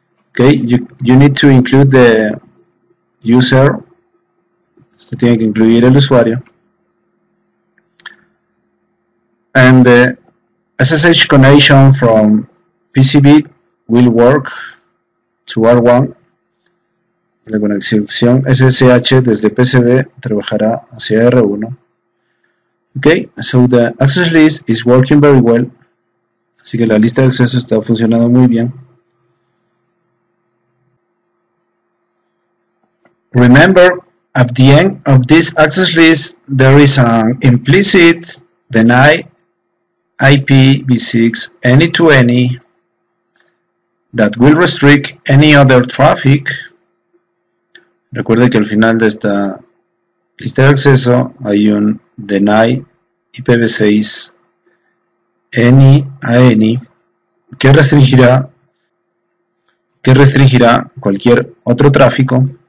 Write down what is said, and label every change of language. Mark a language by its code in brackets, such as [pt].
[en] Okay, you need to include the user. [es] Se tiene que incluir el usuario. [en] And the SSH connection from PCB will work to R1. [es] La conexión SSH desde PCB trabajará hacia R1. [en] Okay, so the access list is working very well. [es] Así que la lista de acceso está funcionando muy bien. [en] Remember, at the end of this access list, there is an implicit deny IPv6 any-to-any that will restrict any other traffic. [es] Recuerde que al final de esta lista de acceso hay un deny IPv6 any a any que restringirá cualquier otro tráfico.